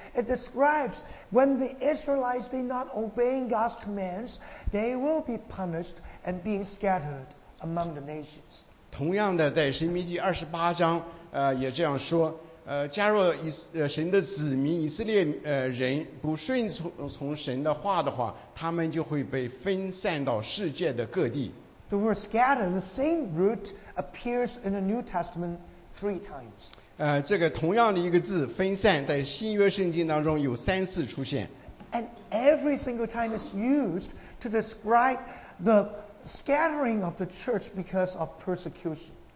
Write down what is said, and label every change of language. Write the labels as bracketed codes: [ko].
[en] It describes when the Israelites did not obey God's commands, they will be punished and being scattered among the nations. [zh] 同样的，在申命记二十八章也这样说。假若神的子民以色列人不顺从神的话的话，他们就会被分散到世界的各地。 [en] The word scatter, the same root appears in the New Testament three times. [zh] 这个同样的一个字分散在新约圣经当中有三次出现。 [en] And every single time is used to describe the scattering of the church because of persecution.